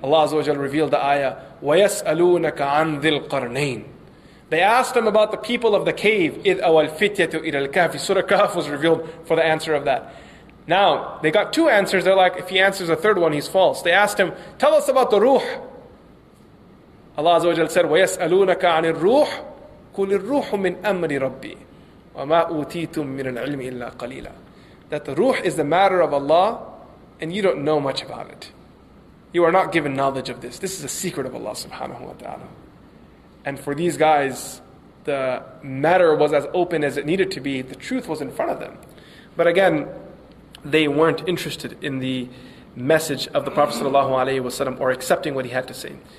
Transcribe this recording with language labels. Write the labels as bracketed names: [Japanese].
[English] Allah Azza wa Jalla revealed the ayah, [Arabic] وَيَسْأَلُونَكَ عَنْ ذِلْ قَرْنَيْنِ. [English] They asked him about the people of the cave, [Arabic] إِذْ أَوَى الْفِتْيَةُ إِلَى الْكَهْفِ. [English] Surah Kahf was revealed for the answer of that. Now, they got two answers. They're like, if he answers the third one, he's false. They asked him, tell us about the ruh. Allah Azza wa Jalla said, [Arabic] وَيَسْأَلُونَكَ عَنِ الْرُوحِ قُلِ الْرُوحُ مِنْ أَمْرِ رَبِّي وَمَا أُوتِيتُم مِنَ الْعِلْمِ إِلَّا قَلِيلًا. [English] That the ruh is the matter of Allah, and you don't know much about it. You are not given knowledge of this. This is a secret of Allah subhanahu wa ta'ala. And for these guys, the matter was as open as it needed to be. The truth was in front of them. But again, they weren't interested in the message of the Prophet sallallahu alaihi wasallam or accepting what he had to say.